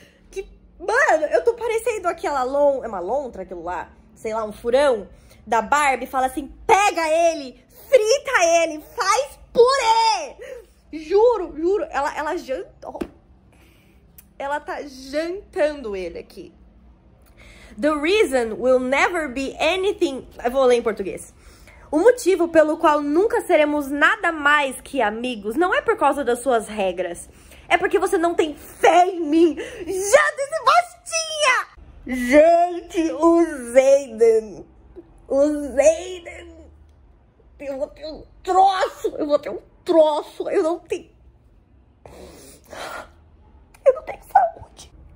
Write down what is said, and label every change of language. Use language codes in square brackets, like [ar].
[pt] Que, mano, eu tô parecendo aquela lontra, é uma lontra aquilo lá? Sei lá, um furão? Da Barbie, fala assim, pega ele, frita ele, faz purê! Juro, juro, ela janta. Oh. Ela tá jantando ele aqui. [en] The reason will never be anything. [pt] Eu vou ler em português. O motivo pelo qual nunca seremos nada mais que amigos não é por causa das suas regras. É porque você não tem fé em mim. Janta esse bostinha! Gente, o Zayden! O Zayden, eu vou ter um troço, eu vou ter um troço, eu não tenho saúde.